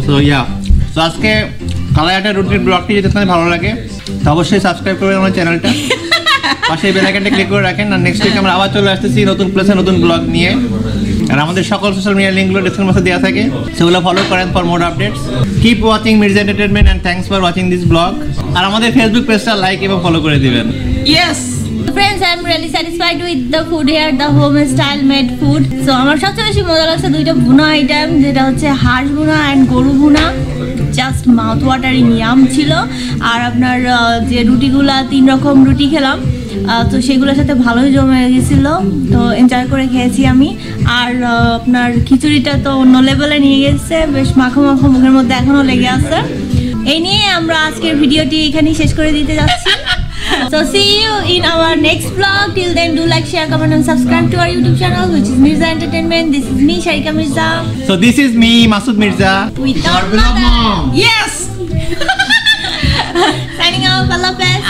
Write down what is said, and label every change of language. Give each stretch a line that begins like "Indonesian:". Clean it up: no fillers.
Bangla: So yeah, so আজকে কালাই আটা রুটির ব্লগটি যদি আপনার ভালো লাগে তো অবশ্যই সাবস্ক্রাইব করবেন আমার চ্যানেলটা, পাশে বেল আইকনটা ক্লিক করে রাখেন। আর নেক্সট উইক আমরা আবার চলে আসতেছি নতুন প্লেসে নতুন ব্লগ নিয়ে। আর আমাদের সকল সোশ্যাল মিডিয়া লিঙ্কগুলো ডিসক্রিপশন বক্সে দেওয়া থাকে, সেগুলো ফলো করেন
English: For more updates. Keep watching Mirza entertainment and thanks for watching this blog.
Bangla: আর আমাদের ফেসবুক পেজটা লাইক এবং ফলো করে দিবেন।
English: Yes, friends, I'm really satisfied with the food here, the home style made food.
Bangla: So আমার সবচেয়ে বেশি মজা লাগছে দুইটা ভুনা আইটেম, যেটা হচ্ছে হাঁস ভুনা এন্ড গরু ভুনা।
English: just mouth watering yum
Bangla: ছিল। আর আপনার যে রুটিগুলো, 3 রকম রুটি খেলাম, তো সেগুলোর সাথে ভালোই জমে গেছিলো, তো এনজয় করে খেয়েছি আমি। আর আপনার খিচুড়িটা তো অন্য লেভেলে নিয়ে গেছে, বেশ মাখো মাখো মুখের মধ্যে এখনও লেগে আছে। এই নিয়ে আমরা আজকের ভিডিওটি এখানেই শেষ করে দিতে যাচ্ছি।
English: So see you in our next vlog. Till then, do like, share, comment and subscribe to our YouTube channel, which is Mirza Entertainment. This is me, Sharika Mirza. So this is me, Masood Mirza. With our beloved mom. Yes. Signing off. Allah Hafiz.